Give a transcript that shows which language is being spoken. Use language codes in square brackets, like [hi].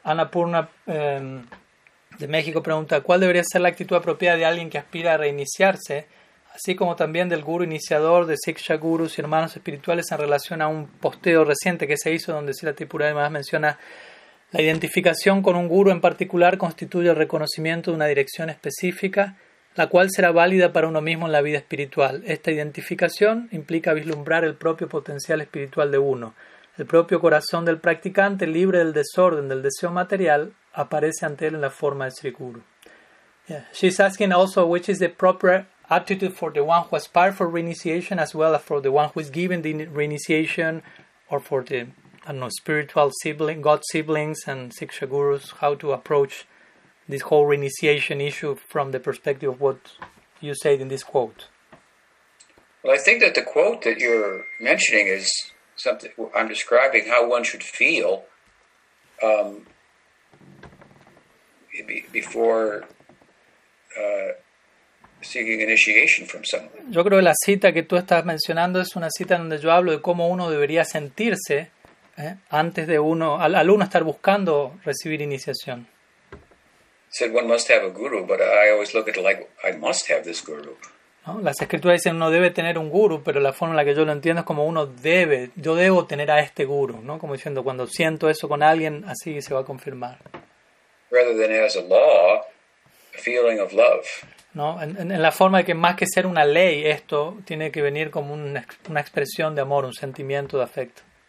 [es] Annapurna de México pregunta, ¿cuál debería ser la actitud apropiada de alguien que aspira a reiniciarse, así como también del guru iniciador, de Siksha Gurus y hermanos espirituales en relación a un posteo reciente que se hizo donde Sila Tripura además menciona la identificación con un guru en particular constituye el reconocimiento de una dirección específica, la cual será válida para uno mismo en la vida espiritual? Esta identificación implica vislumbrar el propio potencial espiritual de uno. El propio corazón del practicante, libre del desorden del deseo material, aparece ante él en la forma de Sri Guru. [en] Yeah. She's asking also which is the proper attitude for the one who aspires for reinitiation as well as for the one who is given the reinitiation or for the, I don't know, spiritual sibling, God siblings and Siksha Gurus, how to approach this whole reinitiation issue from the perspective of what you said in this quote. Well, I think that the quote that you're mentioning is something I'm describing how one should feel before seeking initiation from someone. [es] Yo creo que la cita que tú estás mencionando es una cita donde yo hablo de cómo uno debería sentirse antes de uno, al uno estar buscando recibir iniciación. [en] Said one must have a guru, but I always look at it like I must have this guru. [es] No, las escrituras dicen uno debe tener un guru, pero la forma en la que yo lo entiendo es como uno debe, yo debo tener a este guru, ¿no? Como diciendo cuando siento eso con alguien, así se va a confirmar. [en] Rather than as a law, a feeling of love. [es] No, en la forma de que más que ser una ley, esto tiene que venir como una expresión de amor, un sentimiento de afecto.